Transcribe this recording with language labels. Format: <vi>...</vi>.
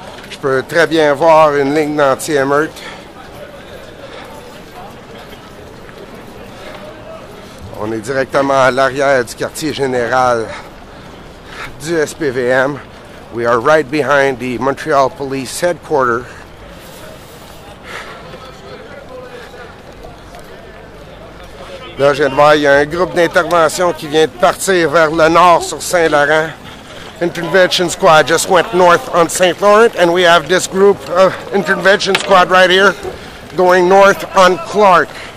<fr>Je peux très bien voir une ligne d'anti-émeute. On est directement à l'arrière du quartier général du SPVM.</fr> <en>We are right behind the Montreal Police Headquarters.</en> <fr>Là, je viens de voir, il y a un groupe d'intervention qui vient de partir vers le nord sur Saint-Laurent.</fr> <en>Intervention squad just went north on St. Laurent, and we have this group of intervention squad right here going north on Clark.</en>